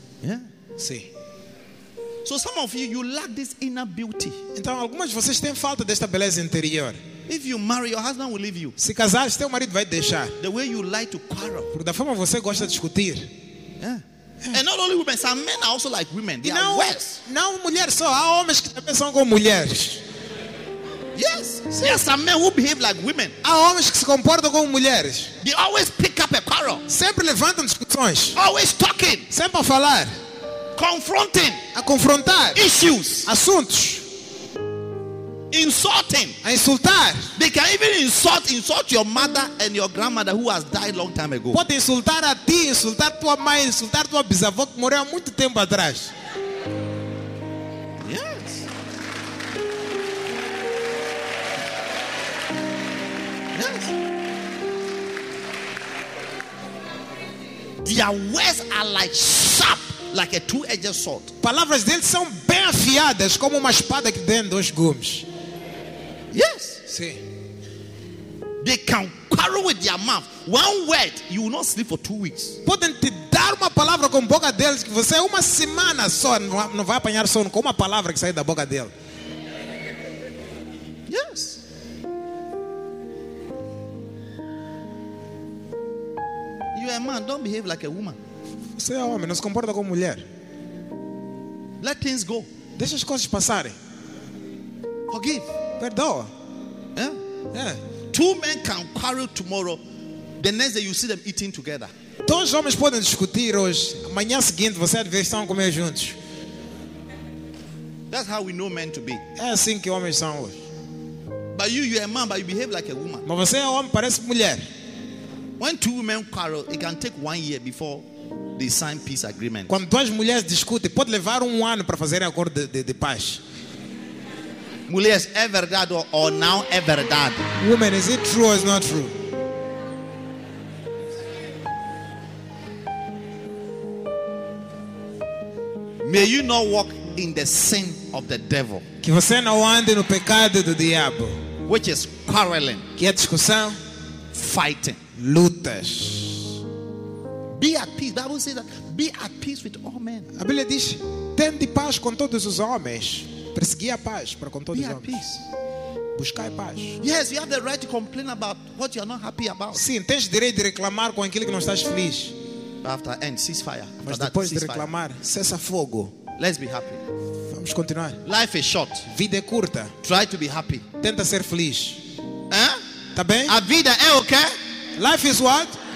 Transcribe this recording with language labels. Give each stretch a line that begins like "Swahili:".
English: Yeah?
Portuguese: Sim.
English: So some of you lack this inner beauty.
Portuguese: Então algumas de vocês têm falta desta beleza interior.
English: If you marry, your husband will leave you.
Portuguese: Se casar, seu marido vai deixar.
English: The way you like to quarrel.
Portuguese: Por da forma você gosta de discutir.
English: Yeah. And not only women, some men are also like women. They are worse.
Portuguese: Não mulheres só, há homens que também são como mulheres.
English: Yes. There are some men who behave like women.
Portuguese: Há homens que se comportam como mulheres.
English: They always pick up a quarrel.
Portuguese: Sempre levantam discussões.
English: Always talking.
Portuguese: Sempre a falar.
English: Confronting.
Portuguese: A confrontar.
English: Issues.
Portuguese: Assuntos.
English: Insulting.
Portuguese: A insultar.
English: They can even insult your mother and your grandmother who has died long time ago.
Portuguese: Pode insultar a ti, insultar tua mãe, insultar tua bisavó que morreu há muito tempo atrás.
English: Yes. Yes. Their words are like sharp, like a two-edged sword.
Portuguese: Palavras deles são bem afiadas como uma espada que tem dois gumes.
English: Yes. See. They can quarrel with their mouth. One word, you will not sleep for 2 weeks.
Portuguese: Podem te dar uma palavra com boca deles que você uma semana só não vai apanhar sono com uma palavra que sai da boca dele.
English: Yes. You are a man, don't behave like a woman.
Portuguese: Você é homem, não se comporta como mulher.
English: Let things go.
Portuguese: Deixa as coisas passarem.
English: Forgive.
Portuguese: Perdoa.
English: Yeah? Yeah. Two men can quarrel tomorrow. The next day you see them eating together.
Portuguese: Dois homens podem discutir hoje. Amanhã seguinte você vê estão a comer juntos.
English: That's how we know men to be.
Portuguese: É assim que homens são hoje.
English: But you are a man, but you behave like a woman.
Portuguese: Mas você é homem, parece mulher.
English: When two men quarrel, it can take 1 year before they sign peace agreement.
Portuguese: Quando duas mulheres discutem, pode levar 1 ano para fazer acordo de paz. Mulheres, é verdade ou não é verdade?
English: Woman, is it true or is not true? May you not walk in the sin of the devil.
Portuguese: Que você não ande no pecado do diabo.
English: Which is quarreling.
Portuguese: Que é discussão.
English: fighting.
Portuguese: Lutas.
English: Be at peace. The Bible says that. Be at peace with all men.
Portuguese: A Bíblia diz: tende paz com todos os homens. Persegui a paz para com todos os homens.
English: Be at peace.
Portuguese: Buscai paz.
English: Yes, you have the right to complain about what you are not happy about.
Portuguese: Sim, tens direito de reclamar com aquilo que não estás feliz.
English: After end, cease fire. After
Portuguese: Mas depois
English: that, cease
Portuguese: de reclamar,
English: fire.
Portuguese: Cessa fogo.
English: Let's be happy.
Portuguese: Vamos continuar.
English: Life is short.
Portuguese: Vida é curta.
English: Try to be happy.
Portuguese: Tenta ser feliz. Hein? Tá bem? A vida é o quê?
English: Life is what?